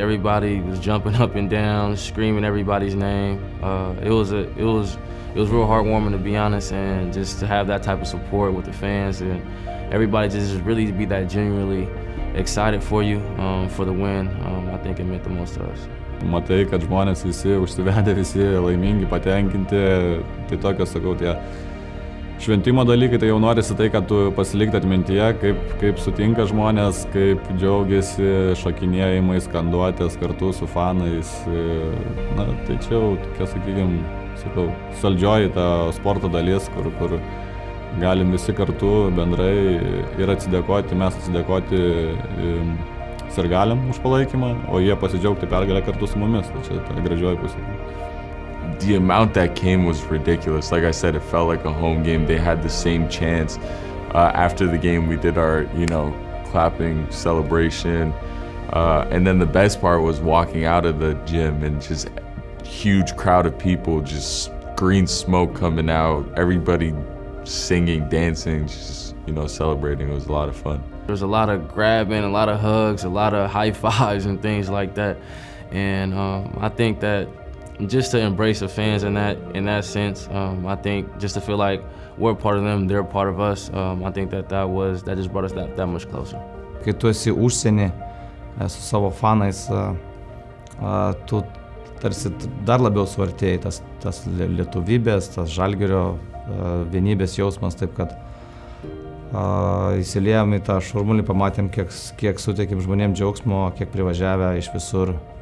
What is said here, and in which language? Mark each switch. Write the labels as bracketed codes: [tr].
[en] Everybody was jumping up and down, screaming everybody's name. It was real heartwarming, to be honest, and just to have that type of support with the fans and everybody just really be that genuinely excited for you, for the win. I think it meant the most to us. [lt] Matai, kad žmonės visi užsivedė, visi laimingi, patenkinti. Tai tokio, sakau, tie šventimo dalykai, tai jau norisi tai, kad tu pasilikti atmintyje, kaip sutinka žmonės, kaip džiaugiasi šokinėjimais, skanduotės kartu su fanais. Na, tai čia jau, tokia, sakykime, sakau, saldžioji ta sporto dalis, kur galim visi kartu bendrai ir atsidėkoti, mes atsidėkoti sirgaliam už palaikymą, o jie pasidžiaugti pergalę kartu su mumis, tai čia ta gražioji pusė. [en] The amount that came was ridiculous. Like I said, it felt like a home game. They had the same chance. After the game, we did our, you know, clapping celebration. And then the best part was walking out of the gym and just huge crowd of people, just green smoke coming out, everybody singing, dancing, just, you know, celebrating. It was a lot of fun. There was a lot of grabbing, a lot of hugs, a lot of high fives and things like that. And I think that just to embrace the fans in that sense, I think just to feel like we're part of them, they're part of us, I think that just brought us that much closer. [lt] Kai tu esi užsienį su savo fanais, tu tarsi dar labiau suartėjai, tas lietuvybės, tas Žalgirio vienybės jausmas, taip kad įsiliejom į tą šurmulį, pamatėm, kiek suteikim žmonėm džiaugsmo, kiek privažiavę iš visur.